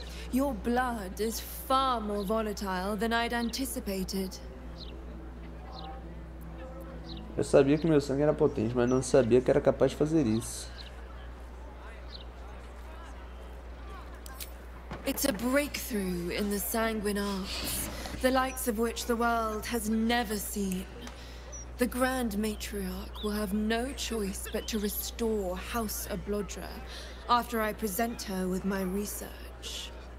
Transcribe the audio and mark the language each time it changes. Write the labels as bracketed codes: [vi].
[en] Your blood is far more volatile than I'd anticipated. [pt] Eu sabia que meu sangue era potente, mas não sabia que era capaz de fazer isso. [en] It's a breakthrough in the sanguine arts, the likes of which the world has never seen. The Grand Matriarch will have no choice but to restore House Ablodra after I present her with my research.